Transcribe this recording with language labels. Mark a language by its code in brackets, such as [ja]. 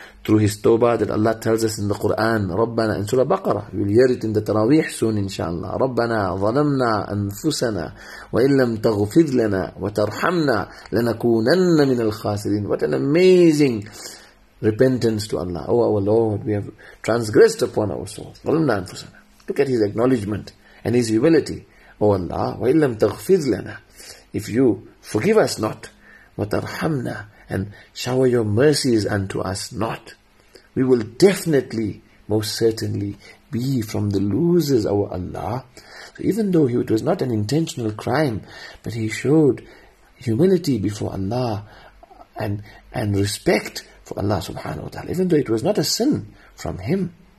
[en] Through his tawbah that Allah tells us in the Quran, Rabbana, in Surah Baqarah, we'll hear it in the Taraweeh soon inshaAllah, Rabbana, [ar] ظَلَمْنَا أَنفُسَنَا وَإِنْ لَمْ تَغْفِرْ لَنَا وَتَرْحَمْنَا لَنَكُونَنَّ مِنَ الْخَاسِرِينَ. [en] What an amazing repentance to Allah. Oh, our Lord, we have transgressed upon our souls. [ar] ظَلَمْنَا أَنفُسَنَا. [en] Look at his acknowledgement and his humility. Oh Allah, [ar] وَإِنْ لَمْ تَغْفِرْ لَنَا. [en] If you forgive us not, [ar] وَتَرْحَمْنَا, [en] and shower your mercies unto us not, we will definitely, most certainly, be from the losers, O Allah. So even though it was not an intentional crime, but he showed humility before Allah and respect for Allah subhanahu wa ta'ala, even though it was not a sin from him.